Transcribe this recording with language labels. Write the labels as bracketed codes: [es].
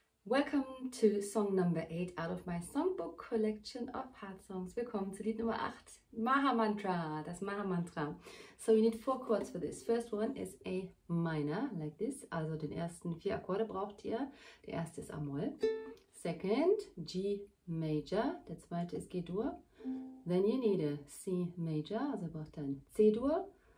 [en] Welcome to song number 8 out of my songbook collection of heart songs. [de] Willkommen zu Lied Nummer 8, Maha Mantra, das Maha Mantra. [en] So you need 4 chords for this. First one is A minor, like this. [de] Also den ersten 4 Akkorde braucht ihr. Der erste ist A-Moll. [en] Second, G major. [de] Der zweite ist G-Dur. [en] Then you need a C major, [de] also braucht ihr ein C-Dur.